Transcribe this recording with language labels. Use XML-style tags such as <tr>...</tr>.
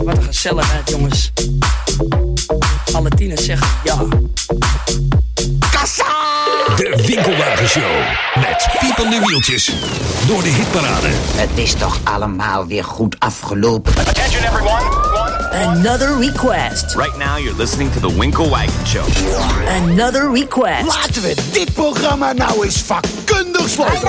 <nl>Wat een gezelligheid, jongens. Alle tieners zeggen ja. Kassa! De Winkelwagenshow. Met piepende wieltjes. Door de hitparade. Het is toch allemaal weer goed afgelopen.</nl> <en>Attention everyone. Another request. Right now you're listening to the Winkle Wagon Show. Another request.</en> <nl>Laten we dit programma nou eens vakkundig sluiten.</nl>